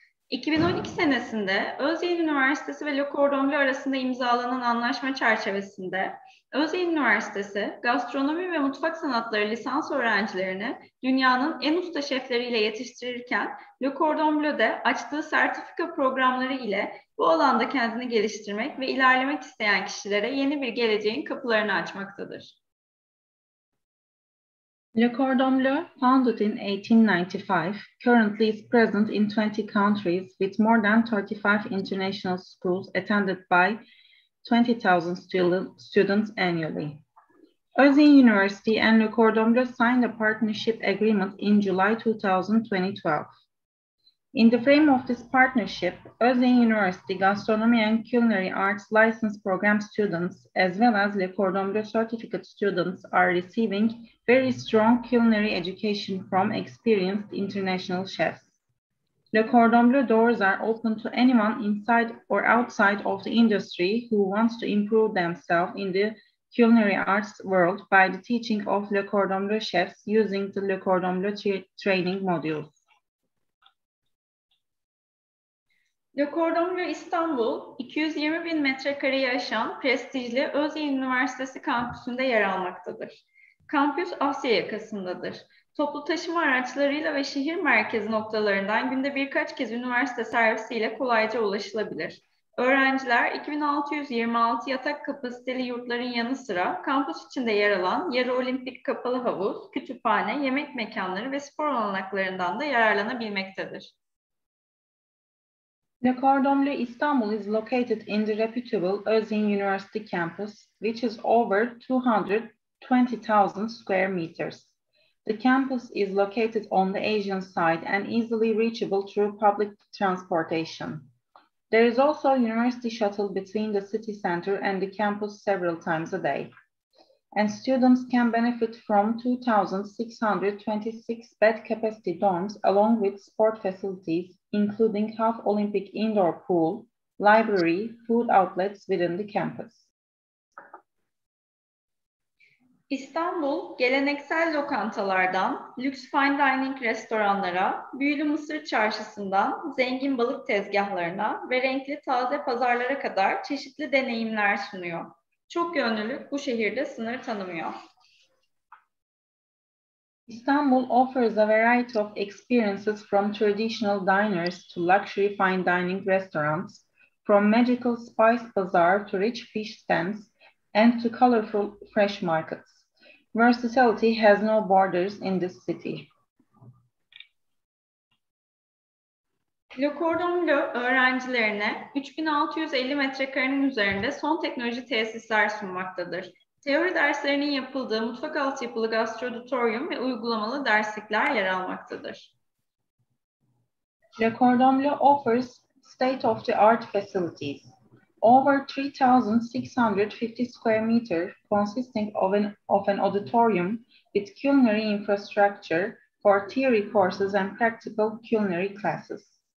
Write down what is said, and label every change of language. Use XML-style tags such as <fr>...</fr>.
<tr>2012 senesinde Özyeğin Üniversitesi ve Le Cordon Bleu arasında imzalanan anlaşma çerçevesinde, Özyeğin Üniversitesi, gastronomi ve mutfak sanatları lisans öğrencilerini dünyanın en usta şefleriyle yetiştirirken, Le Cordon Bleu'de açtığı sertifika programları ile bu alanda kendini geliştirmek ve ilerlemek isteyen kişilere yeni bir geleceğin kapılarını açmaktadır.</tr> <en>Le Cordon Bleu, founded in 1895, currently is present in 20 countries with more than 35 international schools attended by 20,000 students annually. Özyeğin University and Le Cordon Bleu signed a partnership agreement in July 2012. In the frame of this partnership, Özyeğin University Gastronomy and Culinary Arts License Program students, as well as Le Cordon Bleu certificate students, are receiving very strong culinary education from experienced international chefs. Le Cordon Bleu doors are open to anyone inside or outside of the industry who wants to improve themselves in the culinary arts world by the teaching of Le Cordon Bleu chefs using the Le Cordon Bleu training modules.</en> <tr>Le Cordon Bleu İstanbul, 220 bin metrekareyi aşan prestijli Özyeğin Üniversitesi kampüsünde yer almaktadır. Kampüs Asya yakasındadır. Toplu taşıma araçlarıyla ve şehir merkezi noktalarından günde birkaç kez üniversite servisiyle kolayca ulaşılabilir. Öğrenciler 2626 yatak kapasiteli yurtların yanı sıra kampüs içinde yer alan yarı olimpik kapalı havuz, kütüphane, yemek mekanları ve spor olanaklarından da yararlanabilmektedir.</tr> <en>Le Cordon Bleu Istanbul is located in the reputable Özyurt University campus, which is over 220,000 square meters. The campus is located on the Asian side and easily reachable through public transportation. There is also a university shuttle between the city center and the campus several times a day. And students can benefit from 2,626 bed capacity dorms along with sport facilities, including half Olympic indoor pool, library, food outlets within the campus.</en> <tr>İstanbul, geleneksel lokantalardan lüks fine dining restoranlara, büyülü mısır çarşısından zengin balık tezgahlarına ve renkli taze pazarlara kadar çeşitli deneyimler sunuyor. Çok yönlülük bu şehirde sınır tanımıyor.</tr> <en>İstanbul offers a variety of experiences from traditional diners to luxury fine dining restaurants, from magical spice bazaar to rich fish stands and to colorful fresh markets. Versatility has no borders in this city.</en> <tr>Le Cordon Bleu öğrencilerine 3650 metrekarenin üzerinde son teknoloji tesisler sunmaktadır. Teori derslerinin yapıldığı mutfak altyapılı gastroditorium ve uygulamalı derslikler yer almaktadır.</tr> <en>Le Cordon Bleu offers state-of-the-art facilities. Over 3,650 square meters consisting of an auditorium with culinary infrastructure for theory courses and practical culinary classes.</en>